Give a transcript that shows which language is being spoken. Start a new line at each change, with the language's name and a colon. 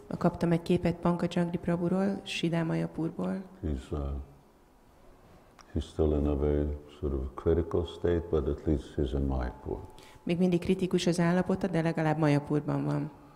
Hungarian: Kaptam egy képet Panchajangri Prabhuról, Sridhar Mayapurból.
English: He's still in a very sort of critical state, but at least he's in Mayapur.
Hungarian: Még mindig kritikus az állapota, de legalább Mayapurban van.